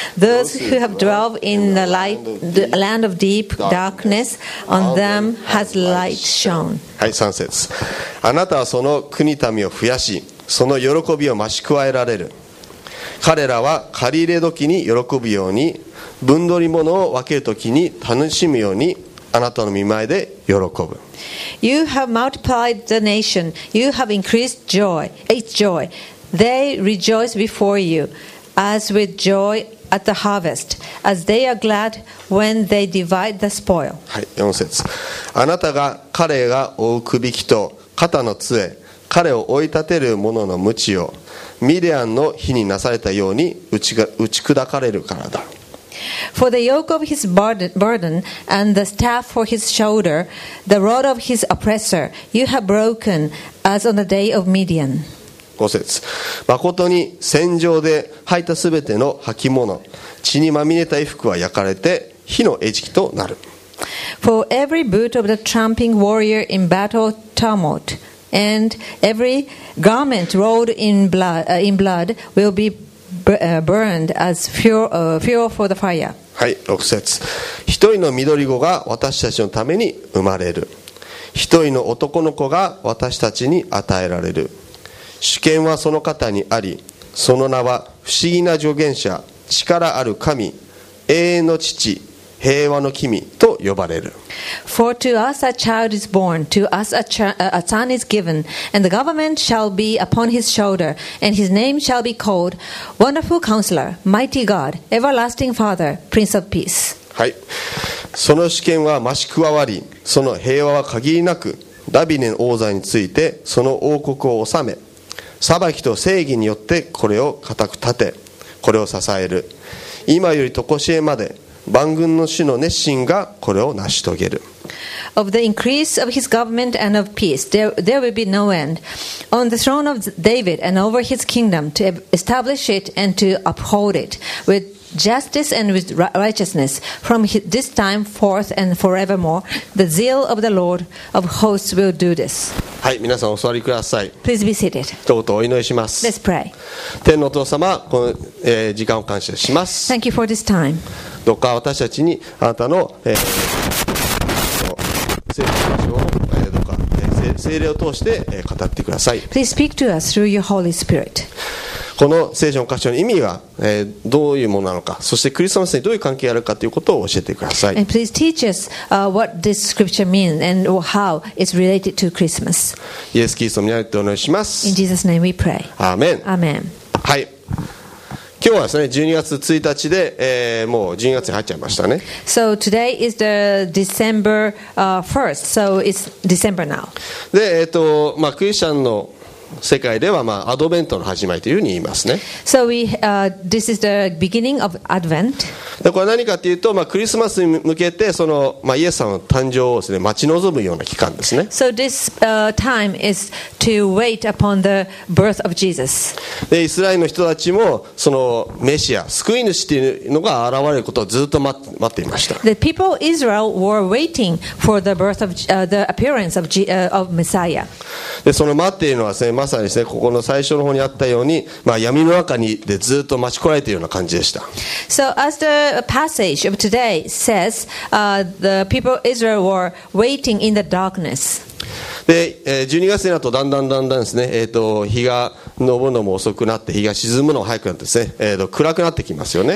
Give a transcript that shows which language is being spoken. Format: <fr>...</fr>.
<en>Those who have dwelt in the light, the land of deep darkness, on them has light shone.</en> <ja>はい、3節。あなたはその国民を増やし、その喜びを増し加えられる。彼らは借り入れ時に喜ぶように、分取り物を分ける時に楽しむように、あなたの御前で喜ぶ。</ja> <en>You have multiplied the nation. You have increased joy, its joy. They rejoice before you, as with joy at the harvest, as they are glad when they divide the spoil.</en> <ja>はい、4節。あなたが彼が追うくびきと肩の杖、彼を追い立てる者の鞭を、ミディアンの火になされたように打ち砕かれるからだ。</ja> <en>For the yoke of his burden and the staff for his shoulder, the rod of his oppressor, you have broken as on the day of Midian.</en> <ja>5節。誠に戦場で履いたすべての履物、血にまみれた衣服は焼かれて火の餌食となる。</ja> <en>For every boot of the tramping warrior in battle tumult and every garment rolled in blood will beburned as fuel for the fire.</en> <ja>はい、6節。一人の緑子が私たちのために生まれる。一人の男の子が私たちに与えられる。主権はその方にあり、その名は不思議な助言者、力ある神、永遠の父、平和の君と呼ばれる。</ja> <en>For to us a child is born, to us a son is given, and the government shall be upon his shoulder, and his name shall be called Wonderful Counselor, Mighty God, Everlasting Father, Prince of Peace.</en> <ja>はい。その主権は増し加わり、その平和は限りなく、ダビデの王座についてその王国を治め、裁きと正義によってこれを固く立て、これを支える。今よりとこしえまで、万軍の主の熱心がこれを成し遂げる。</ja> <en>Of the increase of his government and of peace, there will be no end. On the throne of David and over his kingdom, to establish it and to uphold it with justice and with righteousness, from this time forth and forevermore, the zeal of the Lord of hosts will do this.</en> <ja>はい、皆さんお座りください。</ja> <en>Please be seated.</en> <ja>一言お祈りします。</ja> <en>Let's pray.</en> <ja>天のお父様、この、時間を感謝します。</ja> <en>Thank you for this time.</en> <ja>どうか私たちにあなたの、聖霊を、どうか、聖霊を通して、語ってください。</ja> <en>Please speak to us through your Holy Spirit.</en> <ja>この聖書の箇所の意味が、どういうものなのか、そしてクリスマスにどういう関係があるかということを教えてください。</ja> <en>And please teach us, what this scripture means and how it's related to Christmas.</en> <ja>イエス・キリストの名前でお願いします。</ja> <en>In Jesus' name we pray. Amen. Amen.</en> <ja>はい。今日はですね、12月1日で、もう12月に入っちゃいましたね。</ja> <en>So today is the December 1st, so it's December now.</en> <ja>で、まあ、クリスチャンの世界では、まあ、アドベントの始まりというふうに言いますね。</ja> <en>So this is the beginning of Advent.</en> <ja>でこれ何かっていうと、まあ、クリスマスに向けてその、まあ、イエス様の誕生をです、ね、待ち望むような期間ですね。</ja> <en>So this, time is to wait upon the birth of Jesus.</en> <ja>でイスラエルの人たちもそのメシア、救い主というのが現れることをずっと待っていました。</ja> <en>The people of Israel were waiting for the birth of, the appearance of, of Messiah.</en> <ja>でその待っているのはです、ね、まさにです、ね、ここの最初の方にあったように、まあ、闇の中にでずっと待ちこられているような感じでした。</ja> <en>So as theThe passage of today says, the people of Israel were waiting in the darkness.</en> <ja>で、12月になるとだんだんだんだんですね、日が昇るのも遅くなって、日が沈むのも早くなってですね、暗くなってきますよね。</ja>